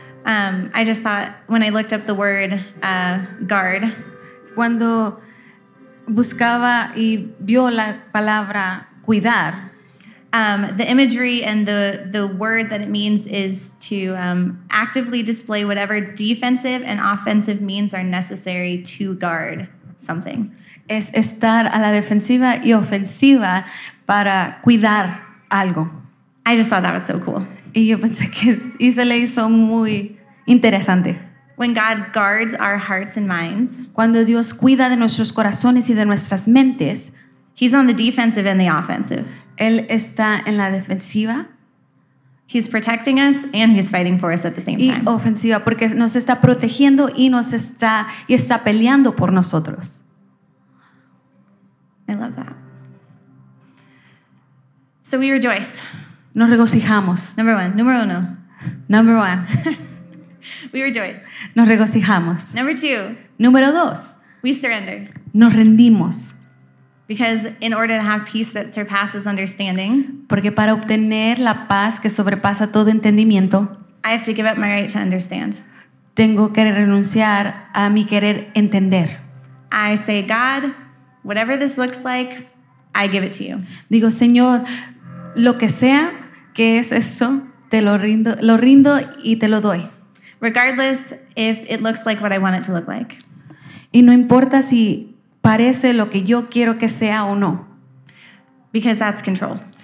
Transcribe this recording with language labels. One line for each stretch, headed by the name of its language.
English: I just thought, when I looked up the word guard.
Spanish: Cuando buscaba y vio la palabra cuidar.
English: The imagery and the word that it means is to actively display whatever defensive and offensive means are necessary to guard something.
Spanish: Es estar a la defensiva y ofensiva para cuidar algo.
English: I just thought that was so cool.
Spanish: Y yo pensé que se le hizo muy interesante.
English: When God guards our hearts and minds,
Spanish: cuando Dios cuida de nuestros corazones y de nuestras mentes,
English: he's on the defensive and the offensive.
Spanish: Él está en la defensiva.
English: He's protecting us and he's fighting for us at the same time.
Spanish: Y ofensiva, porque nos está protegiendo y está peleando por nosotros.
English: I love that. So we rejoice.
Spanish: Nos regocijamos.
English: Number one.
Spanish: Número uno.
English: Number one. We rejoice.
Spanish: Nos regocijamos.
English: Number two.
Spanish: Número dos.
English: We surrender.
Spanish: Nos rendimos.
English: Because in order to have peace that surpasses understanding,
Spanish: porque para obtener la paz que sobrepasa todo entendimiento,
English: I have to give up my right to understand.
Spanish: Tengo que renunciar a mi querer entender.
English: I say, God, whatever this looks like, I give it to you.
Spanish: Digo, Señor, lo que sea que es eso, te lo rindo y te lo doy.
English: Regardless if it looks like what I want it to look like.
Spanish: Y no importa si parece lo que yo quiero que sea o no.
English: Because that's control.